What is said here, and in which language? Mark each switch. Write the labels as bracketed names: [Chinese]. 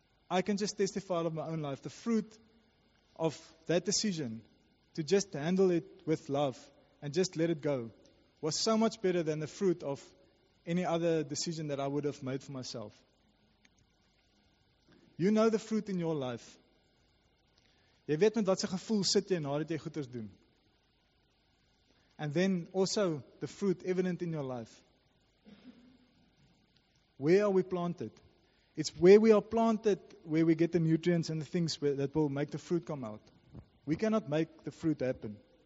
[English] I can just testify out of my own life. The fruit of that decision to just handle it with love and just let it go was so much better than the fruit of any other decision that I would have made for myself. You know the fruit in your life. [Afrikaans] Jy weet met watse gevoel sit jy nadat jy goeders doen. [English] And then also the fruit evident in your life. Where are we planted? It's where we are planted where we get the nutrients and the things that will make the fruit come out. We cannot make the fruit happen.